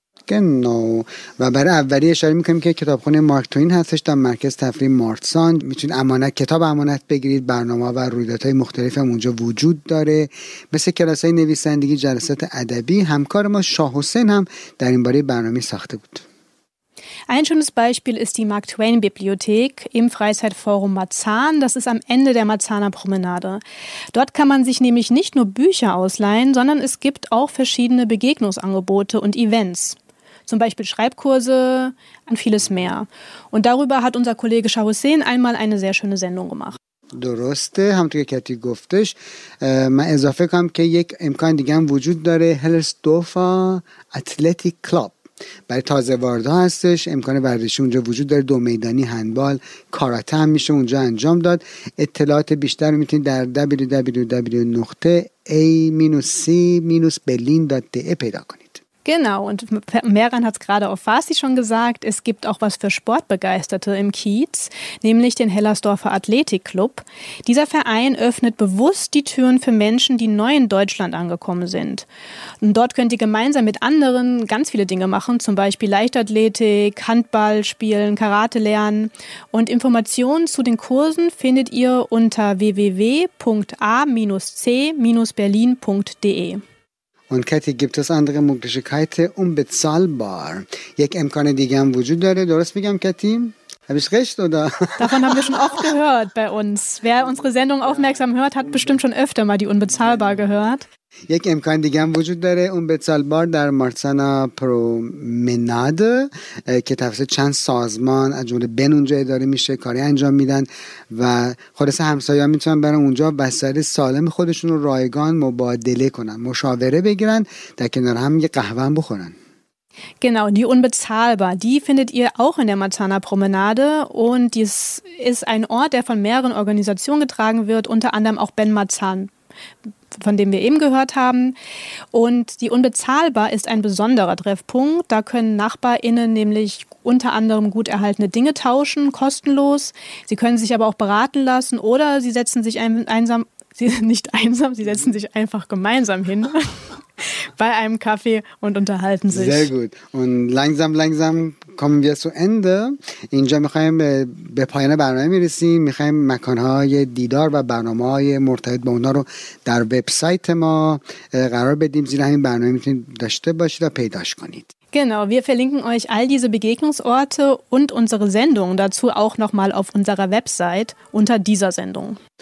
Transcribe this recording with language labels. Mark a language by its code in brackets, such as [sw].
[fa] نوشته نو و برای اولی اشاره میکنیم که کتابخونه مارک توین هستش در مرکز تفریح مارتسان. میتونید کتاب امانت بگیرید. برنامه و رویدادهای مختلف هم اونجا وجود داره، مثل کلاس‌های نویسندگی، جلسات ادبی. همکار ما شاه حسین هم در این باره برنامه ساخته بود. [de] Ein schönes Beispiel ist die Mark Twain Bibliothek im Freizeitforum Marzahn. Das ist am Ende der Marzahner Promenade. Dort kann man sich nämlich nicht nur Bücher ausleihen, sondern es gibt auch verschiedene Begegnungsangebote und Events. Zum Beispiel Schreibkurse und vieles mehr. Und darüber hat unser Kollege Shah Hussein einmal eine sehr schöne Sendung gemacht. [fa] درسته، همونطور که کتی گفتش، من اضافه کنم که یک امکان دیگه هم وجود داره، هلسدوفا اتلتیک کلاب. برای تازه واردها هستش، امکان ورزشی اونجا وجود داره. دو میدانی هندبال، کاراته هم میشه اونجا انجام داد. اطلاعات بیشتر رو میتونید در www.a-c-berlin.de پیدا کنید. [de] Genau, und Mehran hat es gerade auf Farsi schon gesagt, es gibt auch was für Sportbegeisterte im Kiez, nämlich den Hellersdorfer Athletikclub. Dieser Verein öffnet bewusst die Türen für Menschen, die neu in Deutschland angekommen sind. Und dort könnt ihr gemeinsam mit anderen ganz viele Dinge machen, zum Beispiel Leichtathletik, Handball spielen, Karate lernen. Und Informationen zu den Kursen findet ihr unter www.a-c-berlin.de. Und Kathy, gibt es andere Möglichkeiten unbezahlbar? [fa] یک امکان دیگه هم وجود داره، درست میگم کتی؟ [de] Habe ich recht oder? Davon haben wir schon oft gehört bei uns. Wer unsere Sendung aufmerksam hört, hat bestimmt schon öfter mal die unbezahlbar gehört. [fa] یک امکان دیگه هم وجود داره unbezahlbar در مارسانا پرومناده که توسط چند سازمان از جمله بن اونجا اداره میشه، کاری انجام میدن و خالص همسایه‌ها میتونن برن اونجا بستر سالم خودشون رو رایگان مبادله کنن، مشاوره بگیرن، در کنار هم یه قهوه هم بخورن. [de] Genau, die Unbezahlbar, die findet ihr auch in der Marzahner Promenade und dies ist ein Ort, der von mehreren Organisationen getragen wird, unter anderem auch Ben Marzahn, von dem wir eben gehört haben. Und die Unbezahlbar ist ein besonderer Treffpunkt. Da können NachbarInnen nämlich unter anderem gut erhaltene Dinge tauschen, kostenlos. Sie können sich aber auch beraten lassen oder sie setzen sich einfach gemeinsam hin bei einem Kaffee und unterhalten sich. Sehr gut. Und langsam kommen wir zu Ende. [fa] اینجا میخواییم به پایان برنامه میرسیم. میخواییم مکانهای دیدار و برنامه های مرتبط با اونا رو در وبسایت ما قرار بدیم. زیرا همین برنامه میتونید داشته باشید و پیداش کنید. [de] Genau, wir verlinken euch all diese Begegnungsorte und unsere Sendung dazu auch nochmal auf unserer Website unter dieser Sendung.